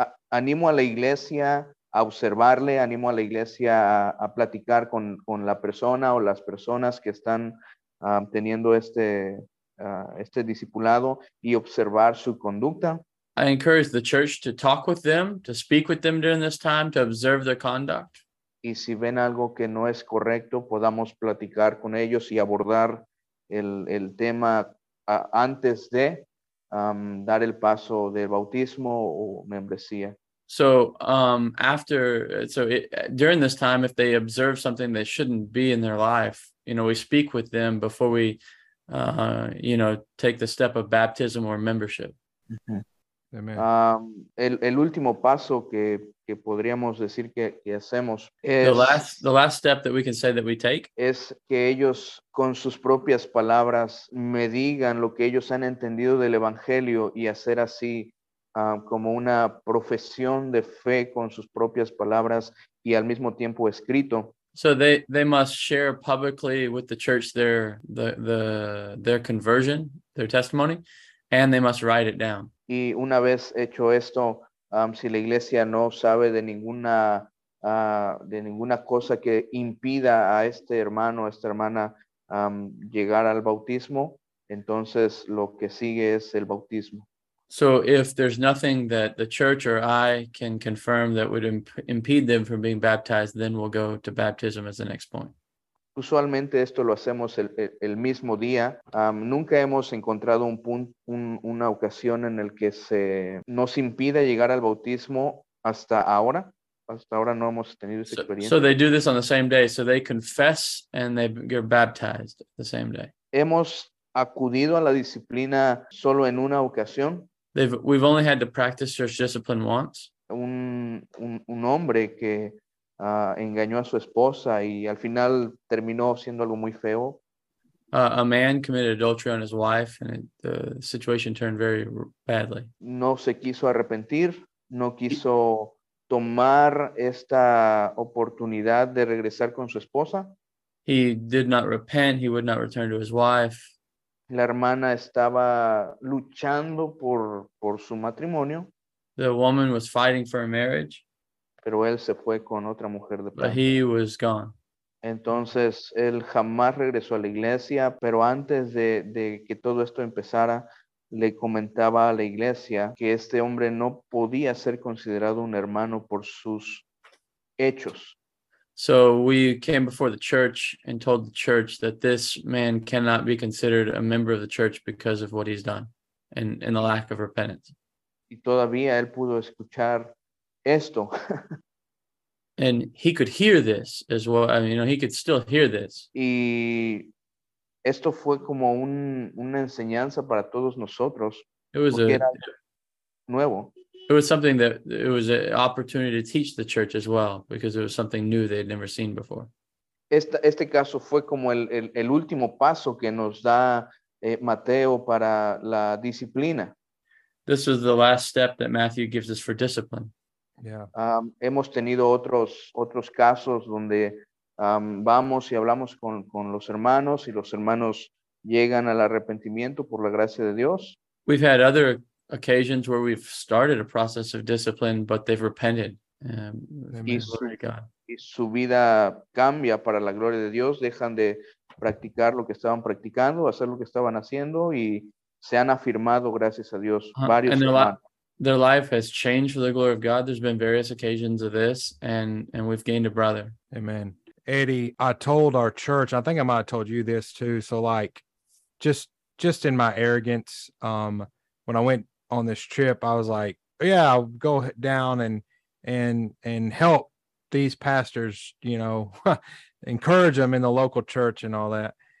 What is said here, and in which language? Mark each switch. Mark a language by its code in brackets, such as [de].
[es] Animo a la iglesia a observarle, animo a la iglesia a platicar con la persona o las personas que están teniendo este discipulado y observar su conducta. [en] I encourage the church to talk with them, to speak with them during this time, to observe their conduct. [es] Y si ven algo que no es correcto, podamos platicar con ellos y abordar el tema antes de dar el paso del bautismo o membresía. [en] So during this time, if they observe something that shouldn't be in their life, you know, we speak with them before we, you know, take the step of baptism or membership. Mm-hmm. Amen. [es] El último paso que podríamos decir que hacemos es [en] the last step that we can say that we take [es] es que ellos con sus propias palabras me digan lo que ellos han entendido del evangelio y hacer así como una profesión de fe con sus propias palabras y al mismo tiempo escrito. [en] So they must share publicly with the church their conversion, their testimony, and they must write it down. [es] Y una vez hecho esto, si la iglesia no sabe de ninguna cosa que impida a este hermano o esta hermana llegar al bautismo, entonces lo que sigue es el bautismo. [en] So if there's nothing that the church or I can confirm that would impede them from being baptized, then we'll go to baptism as the next point. [es] Usualmente esto lo hacemos el mismo día. Nunca hemos encontrado una ocasión en el que se nos impida llegar al bautismo hasta ahora. Hasta ahora no hemos tenido esa experiencia. [en] So they do this on the same day. So they confess and they get baptized the same day. [es] Hemos acudido a la disciplina solo en una ocasión. [en] We've only had to practice church discipline once. [es] Un hombre que engañó a su esposa y al final terminó siendo algo muy feo. [en] A man committed adultery on his wife and the situation turned very badly. [es] No se quiso arrepentir, no quiso tomar esta oportunidad de regresar con su esposa. [en] He did not repent, he would not return to his wife. [es] La hermana estaba luchando por su matrimonio. [en] The woman was fighting for a marriage. [es] Pero él se fue con otra mujer de [en] plan. But he was gone. [es] Entonces, él jamás regresó a la iglesia, pero antes de que todo esto empezara, le comentaba a la iglesia que este hombre no podía ser considerado un hermano por sus hechos. [en] So we came before the church and told the church that this man cannot be considered a member of the church because of what he's done and the lack of repentance. [es] Y todavía él pudo escuchar esto. [en] And he could hear this as well. I mean, you know, he could still hear this. [es] Y esto fue como una enseñanza para todos nosotros. [en] It was a, era, [es] nuevo. [en] It was something that it was an opportunity to teach the church as well, because it was something new they had never seen before. [es] Este caso fue como el último paso que nos da Mateo para la disciplina. [en] This was the last step that Matthew gives us for discipline. Yeah. [es] Hemos tenido otros casos donde vamos y hablamos con los hermanos, y los hermanos llegan al arrepentimiento por la gracia de Dios. [en] We've had other occasions where we've started a process of discipline, but they've repented. [es] Y su vida cambia para la gloria de Dios. Dejan de practicar lo que estaban practicando, hacer lo que estaban haciendo, y se han afirmado, gracias a Dios, varios hermanos. [en] Their life has changed for the glory of God. There's been various occasions of this, and we've gained a brother. Amen. Eddie, I told our church, I think I might have told you this too. So like, just in my arrogance, when I went on this trip, I was like, yeah, I'll go down and help these pastors, you know, encourage them in the local church and all that.